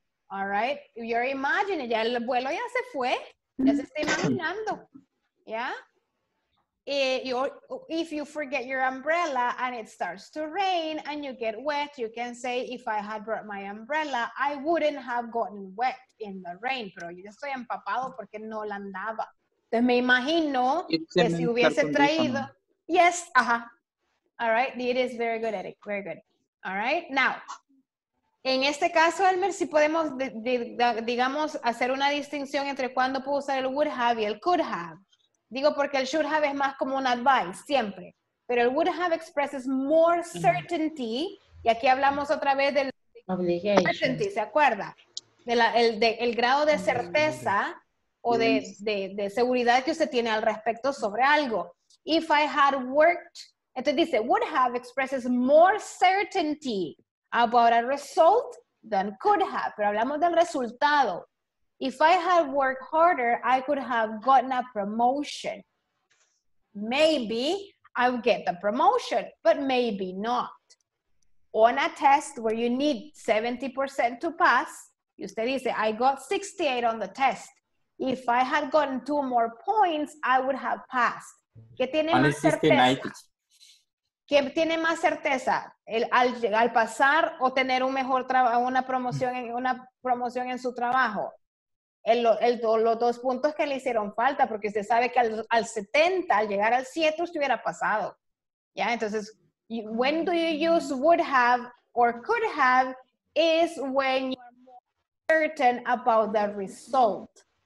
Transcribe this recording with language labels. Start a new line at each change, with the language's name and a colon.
English: All right? You're imagining,
Spanish: ya el vuelo ya se fue. Ya se está imaginando. Yeah?
English: If you forget your umbrella and it starts to rain and you get wet, you can say, if I had brought my umbrella, I wouldn't have gotten wet in the rain.
Spanish: Pero yo estoy empapado porque no la andaba. Entonces me imagino que si hubiese traído. Yes, ajá.
English: All right, it is very good, Eric. Very good. All right, now.
Spanish: En este caso, Elmer, si podemos, digamos, hacer una distinción entre cuándo puedo usar el would have y el could have. Digo porque el should have es más como un advice, siempre. Pero el
English: would have expresses more certainty.
Spanish: Y aquí hablamos otra vez del
English: obligation.
Spanish: Certainty, ¿se acuerda? El grado de certeza o de seguridad que usted tiene al respecto sobre algo.
English: If I had worked,
Spanish: entonces dice,
English: would have expresses more certainty about a result than could have.
Spanish: Pero hablamos del resultado.
English: If I had worked harder, I could have gotten a promotion. Maybe I would get the promotion, but maybe not. On a test where you need 70% to pass,
Spanish: usted dice,
English: I got 68 on the test. If I had gotten two more points, I would have passed.
Spanish: ¿Qué tiene más certeza? ¿Qué tiene más certeza? ¿Al pasar o tener un mejor trabajo, una promoción en su trabajo? Los dos puntos que le hicieron falta, porque usted sabe que al 70, al llegar al 7, usted hubiera pasado. ¿Ya?
English: Entonces, when do you use would have or could have is when you're more certain about the result.